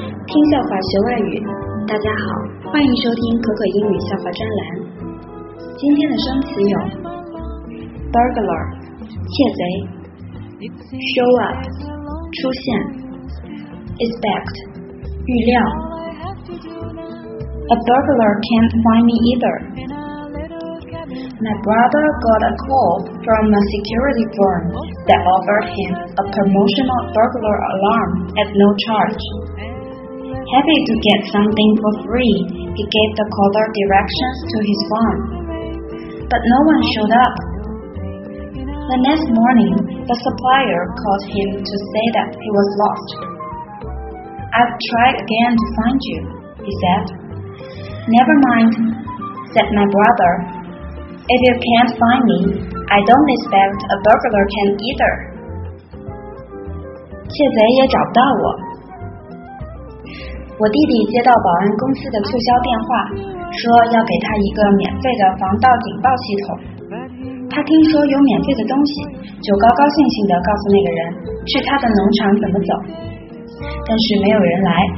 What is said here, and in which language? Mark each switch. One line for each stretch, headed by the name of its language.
Chinese: 听笑话学外语，大家好，欢迎收听可可英语笑话专栏。今天的生词有 burglar 窃贼， show up 出现， expect 预料。
English: A burglar can't find me either. My brother got a call from a security firm that offered him a promotional burglar alarm at no chargeHappy to get something for free, he gave the caller directions to his phone. But no one showed up. The next morning, the supplier called him to say that he was lost. I've tried again to find you, he said. Never mind, said my brother. If you can't find me, I don't expect a burglar can either.
Chinese: 窃贼也找不到我。我弟弟接到保安公司的促销电话，说要给他一个免费的防盗警报系统。他听说有免费的东西，就高高兴兴地告诉那个人去他的农场怎么走，但是没有人来。